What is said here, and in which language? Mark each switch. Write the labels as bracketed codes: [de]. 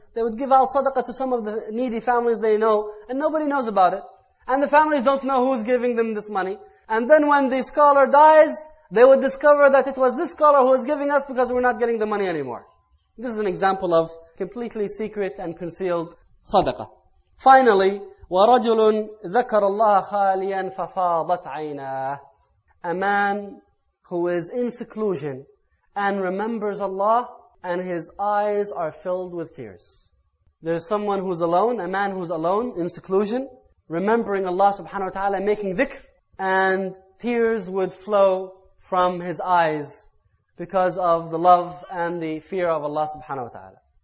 [en] They would give out sadaqah to some of the needy families they know. And nobody knows about it. And the families don't know who's giving them this money. And then when the scholar dies, they would discover that it was this scholar who was giving us because we're not getting the money anymore. This is an example of completely secret and concealed sadaqah. Finally, [ar] وَرَجُلٌ ذَكَرَ اللَّهَ خَالِيًا فَفَاضَتْ عَيْنَاهُ. [en] A man who is in seclusion and remembers Allah and his eyes are filled with tears. There is someone who is alone, a man who is alone in seclusion, remembering Allah subhanahu wa ta'ala, making dhikr, and tears would flow from his eyes because of the love and the fear of Allah subhanahu wa ta'ala.